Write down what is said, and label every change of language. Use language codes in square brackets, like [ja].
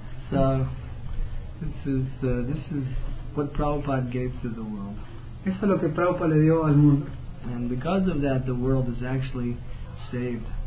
[en] So, this is what Prabhupada gave to the world. [es] Eso es lo que Prabhupada le dio al mundo. [en] And because of that, the world is actually saved.